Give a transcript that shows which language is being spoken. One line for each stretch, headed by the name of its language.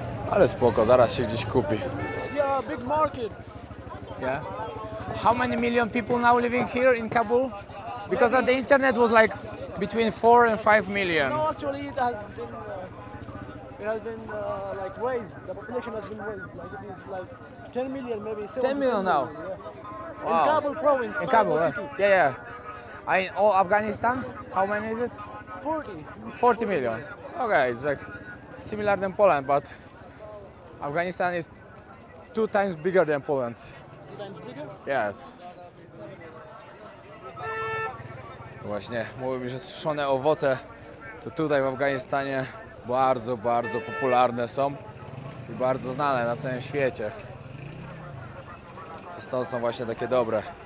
Polish: Ale spoko, zaraz się gdzieś kupi.
English: Yeah, big market. Yeah. How many million people now living here in Kabul? Because on the internet was like between 4 and 5 million. No, actually it has been raised. The population has been raised. Like it is like 10 million maybe. 10 million now. Yeah. Wow. In Kabul province. In Kabul, city. Yeah, yeah. In all Afghanistan, how many is it? 40 million. Okay, it's like similar than Poland, but Afghanistan is 2 times bigger than Poland. 2 times bigger? Yes.
Polish: Właśnie, mówił mi, że suszone owoce to tutaj w Afganistanie bardzo, bardzo popularne są i bardzo znane na całym świecie. I stąd są właśnie takie dobre.